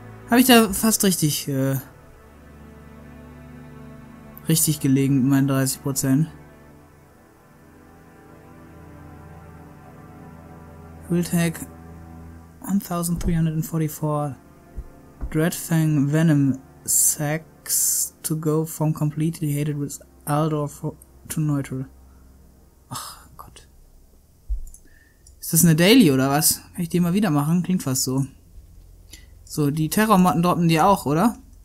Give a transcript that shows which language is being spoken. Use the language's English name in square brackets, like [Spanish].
[German] Habe ich da fast richtig, richtig gelegen mit meinen 30%. [English] Will take 1344 Dreadfang Venom Sacks to go from completely hated with Aldor to neutral. [German] Ach Gott. Ist das eine Daily oder was? Kann ich die mal wieder machen? Klingt fast so. So, die Terrormotten droppen die auch, oder?